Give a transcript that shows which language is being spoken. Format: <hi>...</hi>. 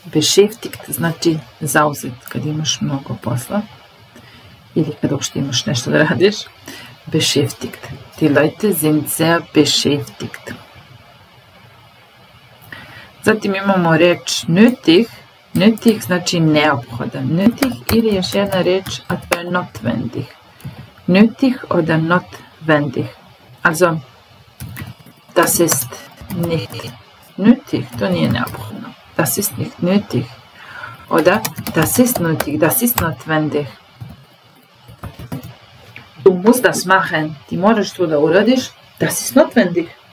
<sr>Beschäftigt znači zauzet, kad imaš mnogo posla ili kad uopšte imaš nešto da radiš.</sr> <de>Beschäftigt. Die Leute sind sehr beschäftigt.</de> <sr>Zatim imamo reč nötig. Nötig znači neophodan. Nötig ili još jedna reč, a to je notwendig.</sr> <de>Nötig oder notwendig. Also, das ist nicht nötig,</de> <sr>to nije neophodno.</sr> <de>Das ist nicht nötig. Oder das ist nötig, das ist notwendig. Du musst das machen,</de> <sr>ti moraš to da uradiš,</sr> <de>das ist notwendig.</de>